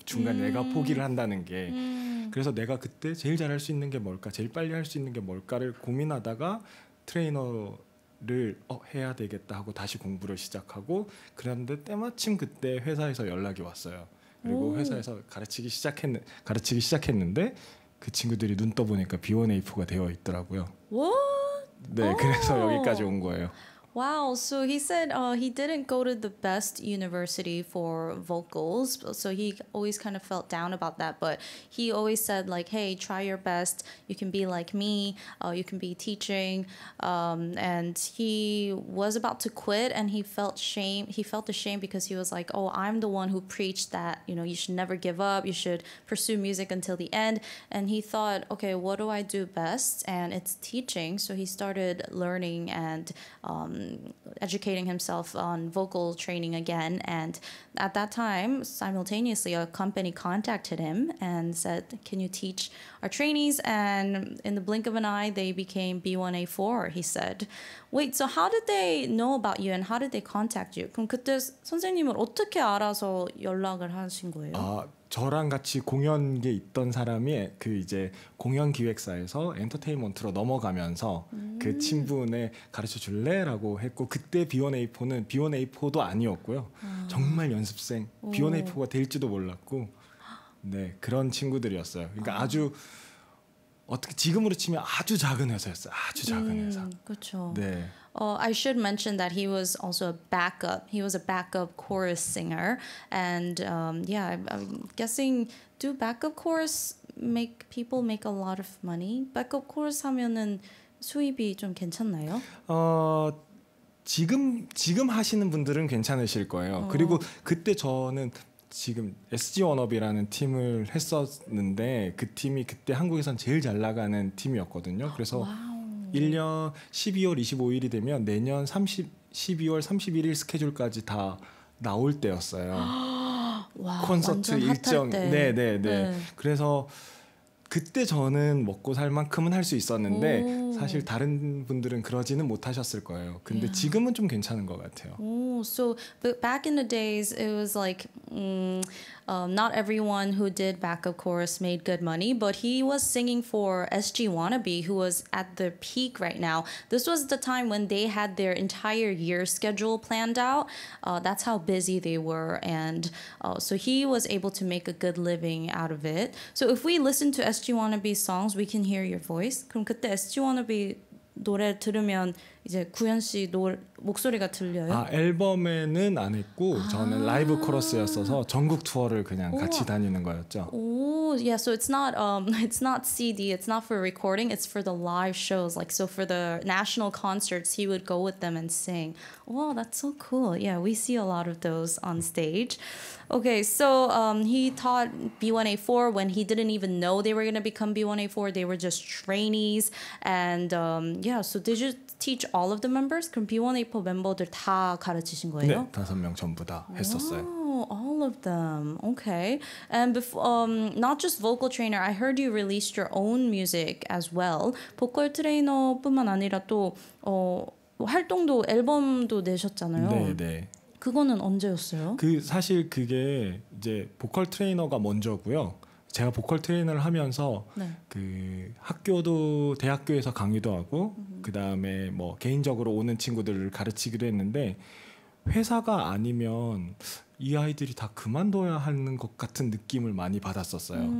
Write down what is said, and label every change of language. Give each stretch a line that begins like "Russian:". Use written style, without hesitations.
Korean: 중간에 내가 포기를 한다는 게. 그래서 내가 그때 제일 잘할 수 있는 게 뭘까, 제일 빨리 할 수 있는 게 뭘까를 고민하다가 트레이너를 해야 되겠다 하고 다시 공부를 시작하고 그런데 때마침 그때 회사에서 연락이 왔어요. 그리고 회사에서 가르치기 시작했는데 그 친구들이 눈 떠보니까 B1A4가 되어 있더라고요.
English: What?
Korean: 네, 그래서 여기까지 온 거예요.
English: Wow, so he said he didn't go to the best university for vocals, so he always kind of felt down about that, but he always said like, hey, try your best, you can be like me, you can be teaching, and he was about to quit, and he felt ashamed because he was like, oh, I'm the one who preached that, you know, you should never give up, you should pursue music until the end, and he thought, okay, what do I do best, and it's teaching, so he started learning and educating himself on vocal training again, and at that time simultaneously a company contacted him and said, can you teach our trainees? And in the blink of an eye they became B1A4, he said. Wait, so how did they know about you and how did they contact you?
Korean: 그럼 그때 선생님을 어떻게 알아서 연락을 하신 거예요? 저랑 같이 공연계 있던 사람이 그 이제 공연 기획사에서 엔터테인먼트로 넘어가면서 그 친분에 가르쳐 줄래? 라고 했고 그때 B1A4는 B1A4도 아니었고요. 정말 연습생 B1A4가 될지도 몰랐고 네 그런 친구들이었어요. 그러니까 아주 어떻게 지금으로 치면 아주 작은 회사였어요. 아주 작은 회사. 그렇죠. 네.
English: I should mention that he was also a backup. He was a backup chorus singer. And yeah, I'm guessing do backup chorus make people make a lot of money?
Korean: Backup chorus 하면은 수입이 좀 괜찮나요? 지금 하시는 분들은 괜찮으실 거예요. 그리고 그때 저는 지금 SG 워너비라는 팀을 했었는데 그 팀이 그때 한국에선 제일 잘 나가는 팀이었거든요. 그래서 1년 12월 25일이 되면 내년 12월 31일 스케줄까지 다 나올 때였어요. 와, 콘서트 일정. 네. 그래서 그때 저는 먹고 살 만큼은 할 수 있었는데 사실 다른 분들은 그러지는 못하셨을 거예요. 근데 yeah. 지금은 좀 괜찮은 것 같아요.
English: So back in the days, it was like not everyone who did backup chorus made good money, but he was singing for SG Wannabe, who was at the peak right now. This was the time when they had their entire year schedule planned out. That's how busy they were. And so he was able to make a good living out of it. So if we listen to SG Wannabe songs, we can hear your voice.
Korean: 그럼 그때 SG Wannabe 노래 들으면 이제 구현 씨 목소리가 들려요? 아, 앨범에는 안 했고 저는 라이브 코러스였어서 전국 투어를 그냥 같이 다니는 거였죠.
English: Yeah, so it's not CD, it's not for recording, it's for the live shows. Like so for the national concerts, he would go with them and sing. Wow, that's so cool. Yeah, we see a lot of those on stage. Okay, so he taught B1A4 when he didn't even know they were going to become B1A4. They were just trainees. And yeah, so did you teach all of the members?
Korean: 그럼 B1A4 멤버들 다 가르치신 거예요? 네, 다섯 명 전부 다 했었어요.
English: All of them. Okay. And before, not just vocal trainer, I heard you released your own music as well.
Korean: 보컬 트레이너뿐만 아니라 또 활동도 앨범도 내셨잖아요. 네. 그거는 언제였어요? 그 사실 그게 이제 보컬 트레이너가 먼저고요. 제가 보컬 트레이너를 하면서 네. 그 학교도 대학교에서 강의도 하고 그다음에 뭐 개인적으로 오는 친구들을 가르치기도 했는데 회사가 아니면 이 아이들이 다 그만둬야 하는 것 같은 느낌을 많이 받았었어요.